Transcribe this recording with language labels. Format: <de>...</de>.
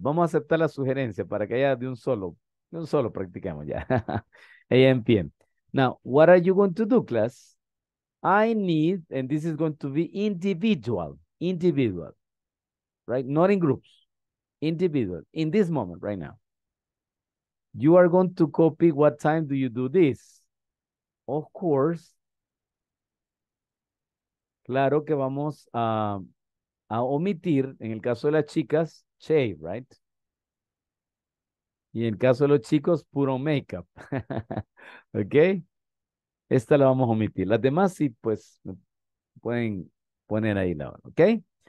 <es>Vamos a aceptar la sugerencia para que haya de un solo practiquemos ya.</es> <en>AM, PM. Now, what are you going to do, class? I need, and this is going to be individual, right? Not in groups, individual, in this moment, right now. You are going to copy what time do you do this? Of course.</en> <es>Claro que vamos a omitir, en el caso de las chicas, shave, right? Y en el caso de los chicos, puro makeup. Okay? Esta la vamos a omitir. Las demás sí, pues, pueden poner ahí la hora, okay?</es>